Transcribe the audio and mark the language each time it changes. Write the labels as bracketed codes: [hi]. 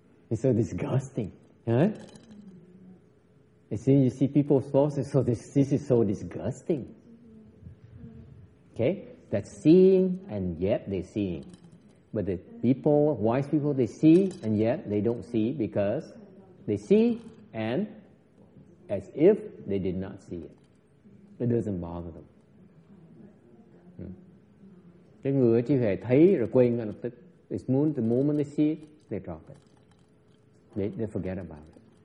[en] It's so disgusting. Huh? As soon as you see people's faults, so this is so disgusting. Okay? That's seeing and yet they're seeing. But the people, wise people, they see and yet they don't see because they see and as if they did not see it. It doesn't bother them. [vi] Cái người chỉ hề thấy rồi quên ngay lập tức. [en] It's the moment they see it, they drop it. They forget about it.